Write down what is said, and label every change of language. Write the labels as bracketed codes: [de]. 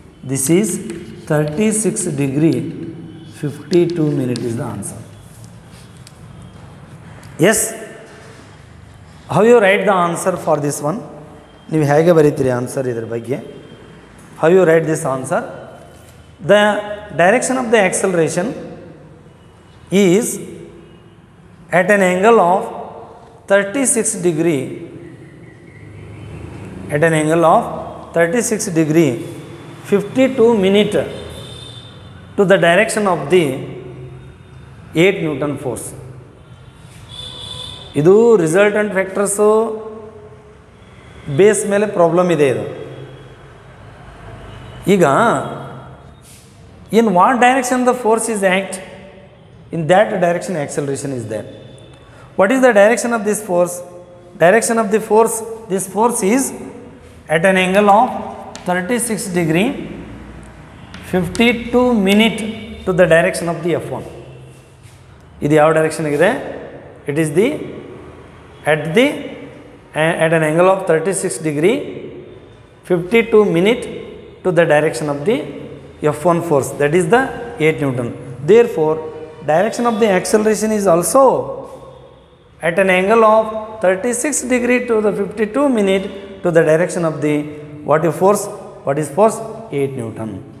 [en] This is 36 degree 52 minute is the answer. Yes. How you write the answer for this one? [kn] ನೀವು ಹೇಗೆ ಬರೀತೀರಿ answer ಇದರ ಬಗ್ಗೆ? [en] How you write this answer? The direction of the acceleration is at an angle of 36 degree, at an angle of 36 degree 52 minute to the direction of the 8 newton force. [kn] ಇದು resultant factors base ಮೇಲೆ problem ಇದೆ ಇದು. [en] ಈಗ in what direction the force is act, in that direction acceleration is there. What is the direction of this force? Direction of the force, this force is at an angle of 36 degree 52 minute to the direction of the F one. [kn] ಇದು ಯಾವ ಡೈರೆಕ್ಷನ್ಗಿದೆ? [en] It is the at the at an angle of 36 degree 52 minute to the direction of the F1 force, that is the 8 Newton. Therefore, direction of the acceleration is also at an angle of 36 degree to the 52 minute to the direction of the what is force? 8 Newton.